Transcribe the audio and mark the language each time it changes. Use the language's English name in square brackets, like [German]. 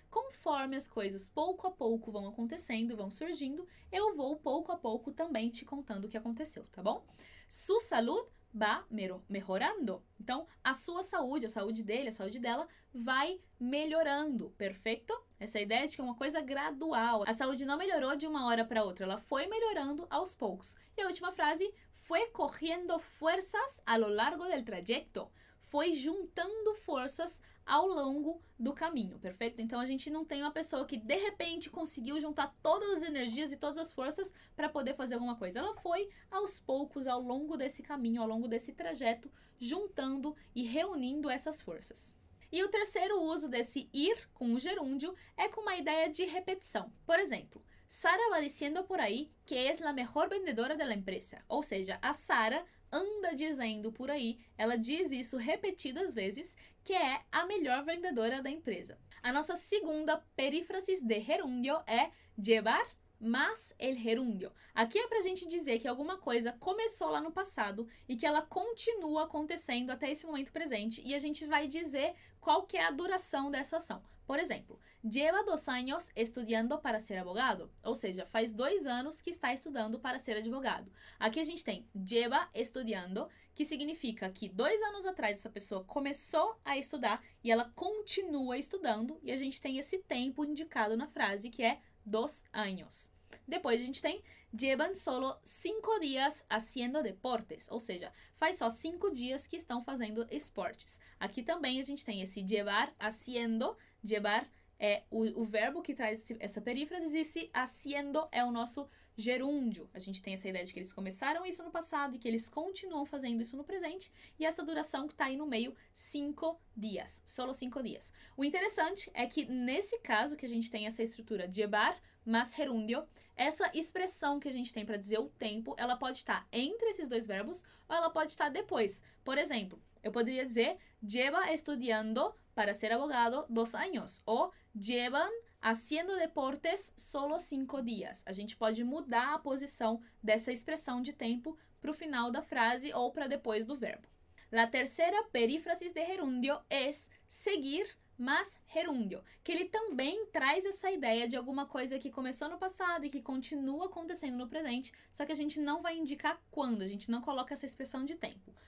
[Portuguese] Conforme as coisas pouco a pouco vão acontecendo, vão surgindo, eu vou pouco a pouco também te contando o que aconteceu, tá bom? [Spanish] Su salud va mejorando. [Portuguese] Então, a sua saúde, a saúde dele, a saúde dela, vai melhorando, perfeito? Essa ideia de que é uma coisa gradual. A saúde não melhorou de uma hora para outra, ela foi melhorando aos poucos. E a última frase, [Spanish] fue cogiendo fuerzas a lo largo del trayecto. [Portuguese] Foi juntando forças ao longo do caminho, perfeito? Então, a gente não tem uma pessoa que, de repente, conseguiu juntar todas as energias e todas as forças para poder fazer alguma coisa. Ela foi, aos poucos, ao longo desse caminho, ao longo desse trajeto, juntando e reunindo essas forças. E o terceiro uso desse ir com o gerúndio é com uma ideia de repetição. Por exemplo, [Spanish] Sara va diciendo por aí que es la mejor vendedora de la empresa. [Portuguese] Ou seja, a Sara anda dizendo por aí, ela diz isso repetidas vezes, que é a melhor vendedora da empresa. A nossa segunda perífrase de gerúndio é llevar más el gerúndio. Aqui é pra gente dizer que alguma coisa começou lá no passado e que ela continua acontecendo até esse momento presente e a gente vai dizer qual que é a duração dessa ação. Por exemplo, [Spanish] lleva 2 años estudiando para ser abogado. [Portuguese] Ou seja, faz 2 anos que está estudando para ser advogado. Aqui a gente tem lleva estudiando, que significa que 2 anos atrás essa pessoa começou a estudar e ela continua estudando e a gente tem esse tempo indicado na frase que é 2 años. Depois a gente tem [Spanish] llevan solo 5 días haciendo deportes, [Portuguese] ou seja, faz só 5 dias que estão fazendo esportes. Aqui também a gente tem esse llevar haciendo, llevar é o verbo que traz essa perífrase, e esse haciendo é o nosso gerúndio. A gente tem essa ideia de que eles começaram isso no passado e que eles continuam fazendo isso no presente, e essa duração que está aí no meio, 5 dias, solo 5 dias. O interessante é que nesse caso que a gente tem essa estrutura llevar mas gerúndio, essa expressão que a gente tem para dizer o tempo, ela pode estar entre esses dois verbos ou ela pode estar depois. Por exemplo, eu poderia dizer lleva estudiando [Spanish] para ser abogado 2 años. O llevan haciendo deportes solo 5 dias. [Portuguese] A gente pode mudar a posição dessa expressão de tempo para o final da frase ou para depois do verbo. [Spanish] La tercera perífrasis de gerundio es seguir más gerundio, [Portuguese] que ele também traz essa ideia de alguma coisa que começou no passado e que continua acontecendo no presente, só que a gente não vai indicar quando, a gente não coloca essa expressão de tempo.